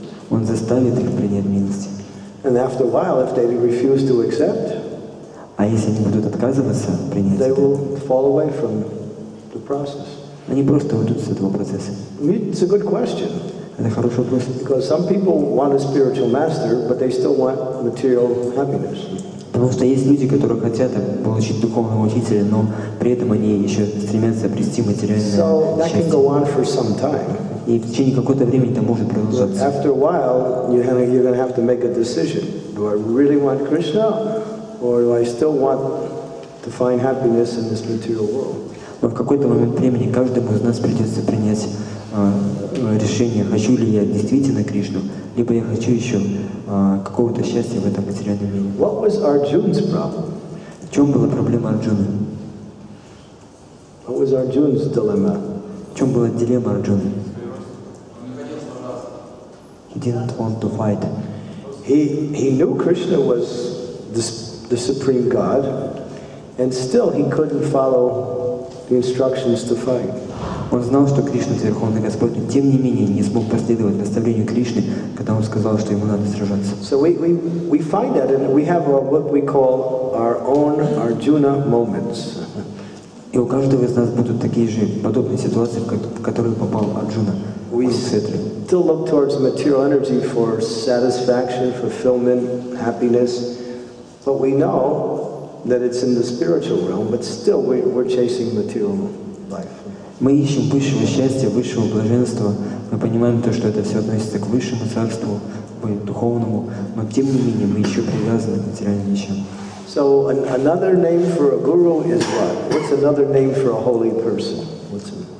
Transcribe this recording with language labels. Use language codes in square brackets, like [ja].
[en] And after a while, if they refuse to accept, they will fall away from the process. It's a good question. Because some people want a spiritual master, but they still want material happiness. [ru] Потому что есть люди, которые хотят получить духовного учителя, но при этом они еще стремятся обрести материальное счастье. [en] So that can go on for some time. [ru] И в течение какого-то времени это может продолжаться. [en] After a while, you're going to have to make a decision. Do I really want Krishna, or do I still want to find happiness in this material world? [ru] Но в какой-то момент времени каждому из нас придется принять решение, хочу ли я действительно Кришну, либо я хочу еще какого-то счастья в этом материальном мире. [en] What was Arjuna's problem? [ru] В чем была проблема Арджуны? [en] What was Arjuna's dilemma? [ru] В чем была дилемма Арджуны? [en] He didn't want to fight. He knew Krishna was the supreme God, and still he couldn't follow the instructions to fight. [ru] Он знал, что Кришна Верховный Господь, но тем не менее не смог последовать наставлению Кришны, когда он сказал, что ему надо сражаться. [en] So we find that and we have what we call our own Arjuna moments. [ru] И у каждого из нас будут такие же подобные ситуации, в которые попал Арджуна. [en] We still look towards material energy for satisfaction, fulfillment, happiness, but we know that it's in the spiritual realm, but still we're chasing material life. [ru] Мы ищем высшего счастья, высшего блаженства. Мы понимаем то, что это все относится к высшему царству, к духовному, но тем не менее мы еще привязаны к материальным вещам. [en] So another name for a guru is what? What's another name for a holy person? What's